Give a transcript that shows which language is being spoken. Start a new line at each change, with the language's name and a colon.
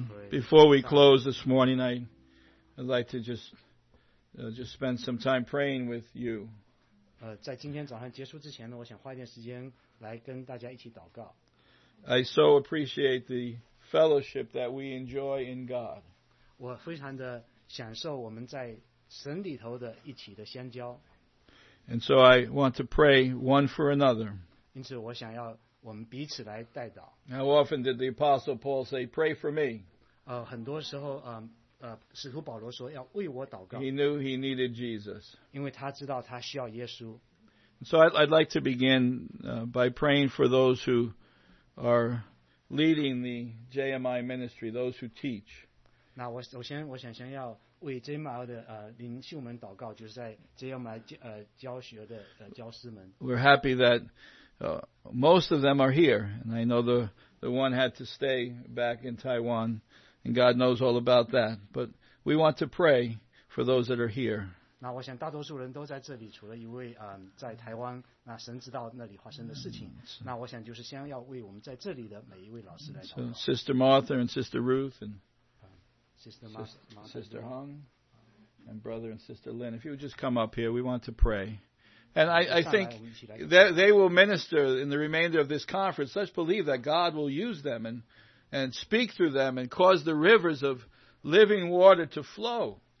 English: Before we close this morning, I'd like to just spend some time praying with you.
Chinese: 在今天早上结束之前呢，我想花一点时间来跟大家一起祷告。
English: I so appreciate the fellowship that we enjoy in God.
Chinese: 我非常的享受我们在神里头的一起的相交。
English: And so I want to pray one for another.
Chinese: 因此我想要我们彼此来代祷。
English: How often did the Apostle Paul say, "Pray for me"?
Chinese: 很多时候，使徒保罗说要为我祷告。
English: He knew he needed Jesus.
Chinese: 因为他知道他需要耶稣。
English: So I'd like to begin by praying for those who are leading the JMI ministry, those who teach.
Chinese: 那我想要为 JMI 的领袖们祷告，就是在 JMI 教学的教师们。
English: We're happy that most of them are here, and I know the one had to stay back in Taiwan, and God knows all about that. But we want to pray for those that are here.
Chinese: 那我想大多数人都在这里，除了一位在台湾，那神知道那里发生的事情。那我想就是先要为我们在这里的每一位老师来祷告。
English: So, Sister Martha and Sister Ruth and Sister Hung and Brother and Sister Lin, if you would just come up here, we want to pray. And I think that they will minister in the remainder of this conference. Let's believe that God will use them and speak through them and cause the rivers of living water to flow.